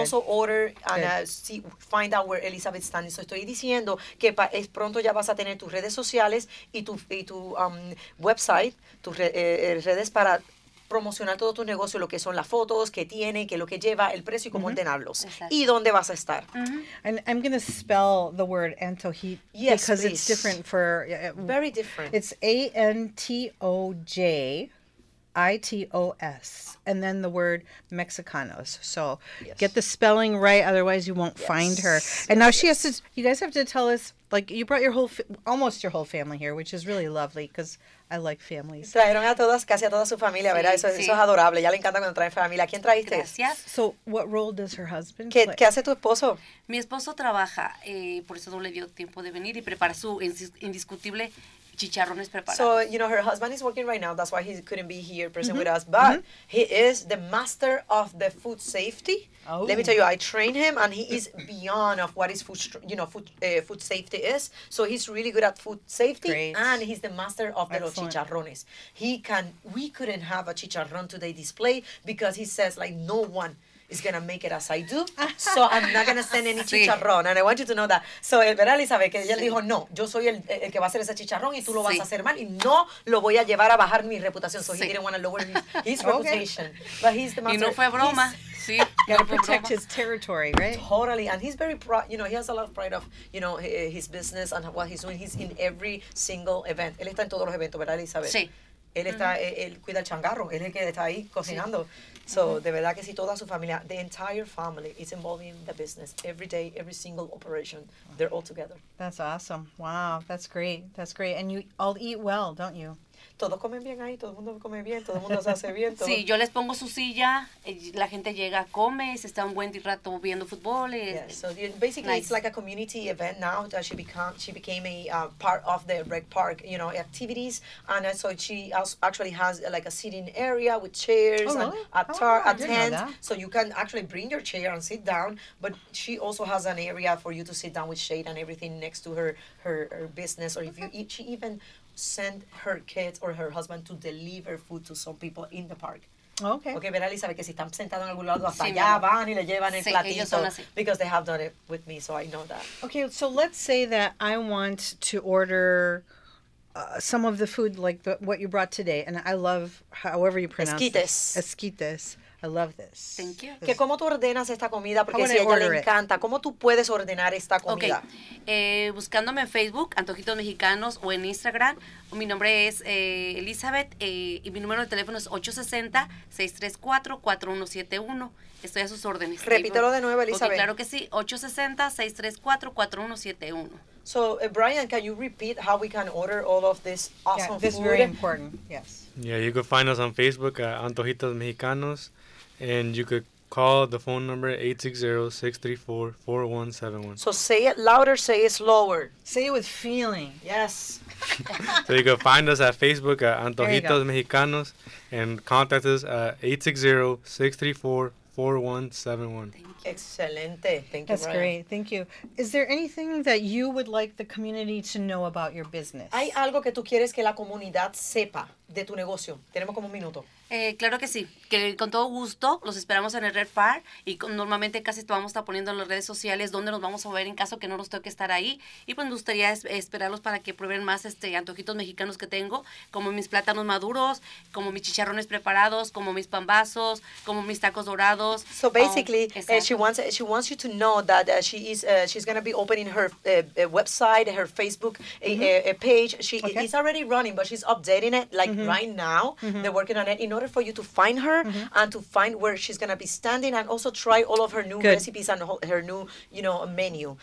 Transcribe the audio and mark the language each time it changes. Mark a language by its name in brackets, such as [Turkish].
[English] Also order and see, find out where Elizabeth stands. [Spanish] So estoy diciendo que pronto ya vas a tener tus redes sociales y tu website, tus redes para promocionar todo tu negocio, lo que son las fotos, qué tiene, qué es lo que lleva, el precio y cómo ordenarlos. [English] Exactly. [Spanish] Y dónde vas a estar. Mm-hmm. [English] And I'm going to spell the word antojit because please. It's different for... Very different. It's Antojitos. And then the word Mexicanos. So get the spelling right, otherwise you won't find her. And now she has to... You guys have to tell us, like, you brought almost your whole family here, which is really lovely because... I like families. [Spanish] Trajeron a todas, casi a toda su familia, ¿verdad? Sí, eso es adorable. Ya le encanta cuando traen familia. ¿Quién trajiste? Gracias. [English] So, what role does her husband [Spanish] ¿Qué, [English] play? [Spanish] ¿Qué hace tu esposo? Mi esposo trabaja, por eso no le dio tiempo de venir y prepara su indiscutible chicharrones preparados. [English] So, you know, her husband is working right now. That's why he couldn't be here present with us. But he is the master of the food safety. Oh. Let me tell you, I train him, and he is beyond of what is food, you know, food safety is. So he's really good at food safety, great. And he's the master of the Excellent. Los chicharrones. We couldn't have a chicharrón today display because he says, like, no one is going to make it as I do. So I'm not going to send any chicharrón. And I want you to know that. So, [Spanish] ¿verdad, Elizabeth? Que ella dijo, no, yo soy el que va a hacer ese chicharrón y tú lo vas a hacer mal y no lo voy a llevar a bajar mi reputación. [English] So he didn't want to lower his reputation. Okay. But he's the master. [Spanish] Y no fue broma. [English] Got to protect his territory, right? Totally. And he's very proud. You know, he has a lot of pride of, you know, his business and what he's doing. He's in every single event. [Spanish] Él está en todos los eventos, ¿verdad, Elizabeth? Sí. Él está, él cuida el changarro. Él es el que está ahí cocinando. Sí. So, de verdad que sí, toda su familia, [English] the entire family is involved in the business. Every day, every single operation, they're all together. That's awesome. Wow, that's great. That's great. And you all eat well, don't you? [Spanish] Todos comen bien ahí, todo el mundo come bien, todo el mundo se hace bien. Sí, yo les pongo su silla, la gente llega, come, se está un buen rato viendo fútbol. [English] Yes, so basically it's like a community event now that she became a part of the Rec Park, you know, activities. And so she also actually has like a sitting area with chairs and a tent. So you can actually bring your chair and sit down. But she also has an area for you to sit down with shade and everything next to her business. Or if you eat, she even... send her kids or her husband to deliver food to some people in the park. Okay. [Spanish] Okay, verá, Elizabeth, que si están sentados en algún lado, hasta allá van y le llevan el platito. Ellos son así. [English] Because they have done it with me, so I know that. Okay, so let's say that I want to order some of the food, like what you brought today, and I love however you pronounce [Spanish] Esquites. [English] It. Esquites. I love this. Thank you. [Spanish] Que cómo tú ordenas esta comida, porque si a ella le encanta, ¿cómo tú puedes ordenar esta comida? [English] Okay. [Spanish] Buscándome en Facebook, Antojitos Mexicanos, o en Instagram, mi nombre es Elizabeth, y mi número de teléfono es 860-634-4171. Estoy a sus órdenes. Repítelo de nuevo, Elizabeth. Okay, claro que sí, 860-634-4171. [English] So, Brian, can you repeat how we can order all of this awesome food? This is very important, yes. Yeah, you can find us on Facebook at Antojitos Mexicanos, and you could call the phone number 860-634-4171. So say it louder, say it slower. Say it with feeling, yes. So you can find us at Facebook at Antojitos Mexicanos and contact us at 860-634-4171. [Spanish] Excelente. [English] Thank you, Brian. That's great. Thank you. Is there anything that you would like the community to know about your business? [Spanish] ¿Hay algo que tú quieres que la comunidad sepa de tu negocio? Tenemos como un minuto. Claro que sí. Que con todo gusto los esperamos en el Red Park. Y normalmente casi te vamos a estar poniendo en las redes sociales donde nos vamos a ver en caso que no nos toque estar ahí. Y pues me gustaría esperarlos para que prueben más antojitos mexicanos que tengo, como mis plátanos maduros, como mis chicharrones preparados, como mis pambazos, como mis tacos dorados. [English] So basically, she wants you to know that she's going to be opening her website, her Facebook page. It's already running, but she's updating it like right now. Mm-hmm. They're working on it in order for you to find her and to find where she's going to be standing and also try all of her new recipes and her new, you know, menu.